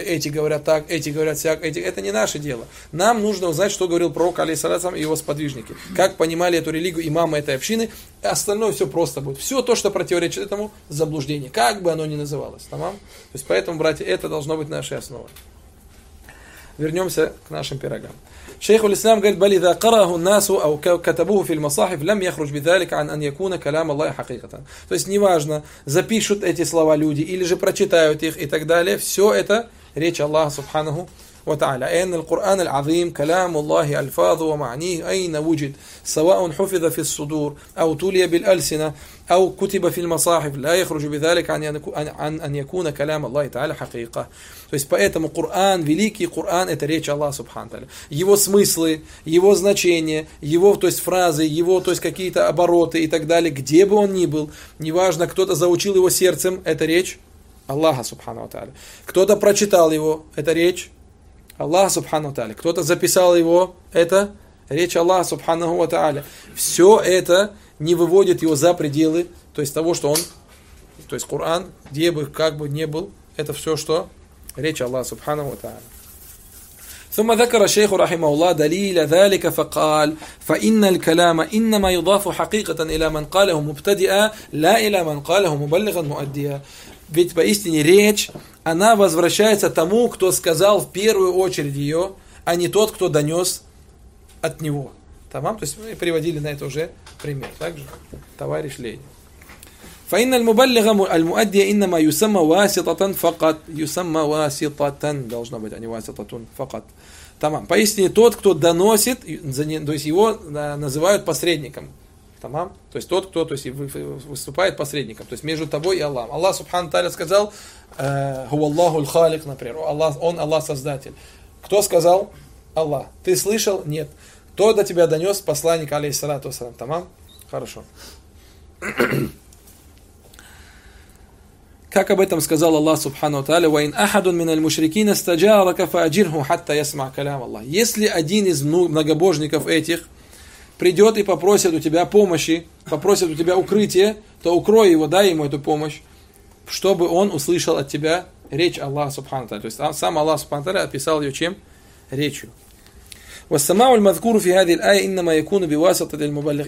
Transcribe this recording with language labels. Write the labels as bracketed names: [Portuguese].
[Russian] Эти говорят так, эти говорят сяк, эти. Это не наше дело. Нам нужно узнать, что говорил пророк, алейхиссалям, и его сподвижники. Как понимали эту религию имамы этой общины. Остальное все просто будет. Все то, что противоречит этому, заблуждение. Как бы оно ни называлось. Тамам? То есть поэтому, братья, это должно быть нашей основой. Вернемся к нашим пирогам. [Arabic] شيخ الإسلام قال بل إذا قرأه الناس أو كتبوه في المصاحف لم يخرج بذلك عن أن يكون كلام الله حقيقة. [Russian] То есть неважно, запишут эти слова люди или же прочитают их и так далее, все это речь Аллаха Субханаху ва Тааля. [Arabic] أن القرآن العظيم كلام الله ألفاظه ومعنيه أين وجد سواء حفظ في الصدور أو تلي بالألسنة أو كتب في المصاحف لا يخرج بذلك عن أن يكون كلام الله تعالى حقيقة. [Russian] То есть поэтому Коран, великий Коран, это речь Аллаха Субхану Тааля. Его смыслы, его значение, его, то есть фразы, его, то есть какие-то обороты и так далее, где бы он ни был, неважно, кто-то заучил его сердцем, это речь Аллаха Субхану Тааля. Кто-то прочитал его, это речь Аллаха Субхану Тааля. Кто-то записал его, это речь Аллаха Субхану Тааля. Все это не выводит его за пределы, то есть того, что он, то есть Коран, где бы, как бы ни был, это все, что речь Аллаха Субхану Тааля. [Arabic] ثم ذكر الشيخ رحمه الله دليل ذلك فقال فإن الكلام إنما يضاف حقيقة إلى من قاله مبتدئا لا إلى من قاله مبلغا مؤديا. [Russian] Ведь поистине речь, она возвращается тому, кто сказал в первую очередь ее, а не тот, кто донес от него. Тамам, то есть мы приводили на это уже пример. Также товарищ Ленин. [Arabic] فإن المبلغ المؤدي إنما يسمى واسطة فقط يسمى واسطة [Russian] должно быть, а не [Arabic] واسطة فقط. [Russian] Тамам. Поистине тот, кто доносит, то есть его называют посредником. Тамам. То есть тот, кто то есть выступает посредником, то есть между тобой и Аллахом. Аллах Субхану Тааля сказал [Arabic] «Хуа Аллаху Аль-Халик», [Russian] например. Он Аллах Создатель. Кто сказал? Аллах. Ты слышал? Нет. Кто до тебя донес? Посланник алейхиссалату вассалям. Тамам? Хорошо. Как об этом сказал Аллах Субхану Тааля, [Arabic] وَإِنْ أَحَدٌ مِنَ الْمُشْرِكِينَ اسْتَجَارَكَ فَأَجِرْهُ حَتَّى يَسْمَعْ كَلَامَ اللَّهِ. [Russian] Если один из многобожников этих придет и попросит у тебя помощи, попросит у тебя укрытие, то укрой его, дай ему эту помощь, чтобы он услышал от тебя речь Аллаха Субхану Тааля. То есть сам Аллах Субхану Тааля описал ее чем? Речью. [Arabic] وَالسَّمَعُ الْمَذْكُورُ فِي هَذِي الْآيَ إِنَّمَا يَكُونُ بِوَاسَطَ الْمُبَلِّغِ.